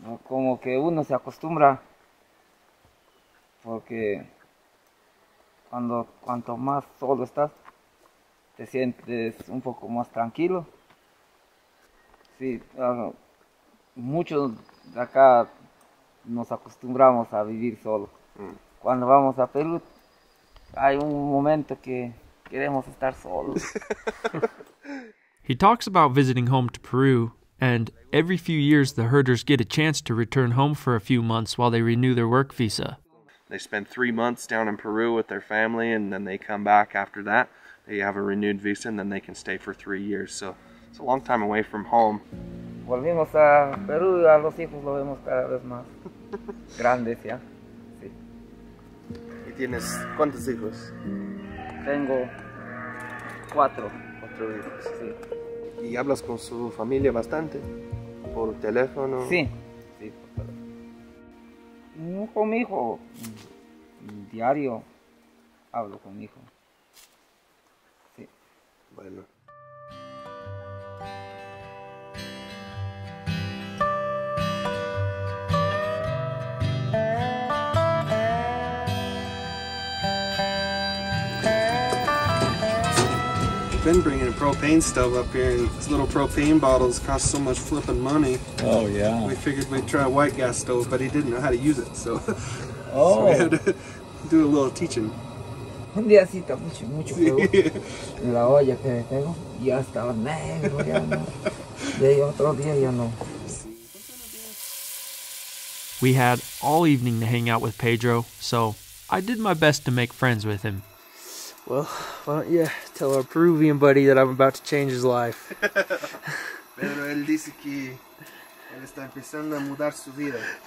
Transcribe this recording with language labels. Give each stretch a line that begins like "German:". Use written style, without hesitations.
Spanish: Como que uno se acostumbra, porque cuanto más solo estás, te sientes un poco más tranquilo. Sí, muchos de acá nos acostumbramos a vivir solo. Cuando vamos a Perú, hay un momento que queremos estar solos.
English: He talks about visiting home to Peru. And every few years, the herders get a chance to return home for a few months while they renew their work visa. They spend 3 months down in Peru with their family, and then they come back after that. They have a renewed visa, and then they can stay for 3 years. So it's a long time away from home.
Spanish: Volvimos a Peru, a los hijos lo vemos cada vez más grandes, ¿ya? Sí. ¿Y tienes cuántos hijos? Tengo 4. 4 hijos. Sí. ¿Y hablas con su familia bastante? ¿Por teléfono? Sí. No con mi hijo. Diario hablo con mi hijo. Sí. Bueno.
English: been bringing a propane stove up here, and these little propane bottles cost so much flipping money. Oh, yeah. We figured we'd try a white gas stove, but he didn't know how to use it, so, oh. So we had to do a little teaching.
Spanish: Un día sí tomé mucho, mucho fuego en la olla que tengo, ya estaba negro, ya no. Y ahí otro día ya no.
English: We had all evening to hang out with Pedro, so I did my best to make friends with him. Well, why don't you tell our Peruvian buddy that I'm about to change his life.
Spanish: Pedro, él dice que él está empezando a mudar su vida.